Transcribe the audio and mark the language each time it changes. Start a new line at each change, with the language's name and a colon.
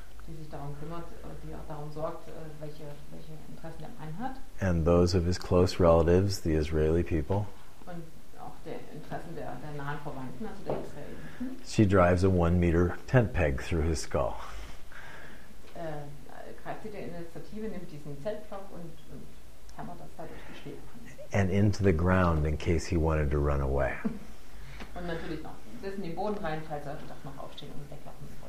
German: die sich darum kümmert, die auch darum sorgt, welche Interessen der Mann hat.
English: And those of his close relatives, the Israeli people.
German: Und auch der Interessen der nahen Verwandten, also der Israeliten.
English: She drives a 1 meter tent peg through his skull.
German: Greift sie der Initiative, nimmt diesen Zeltpflock und hämmert das dadurch die Schläfe.
English: And into the ground, in case he wanted to run away.
German: Und natürlich noch, das in den Boden rein, falls er doch noch aufstehen und weglaufen.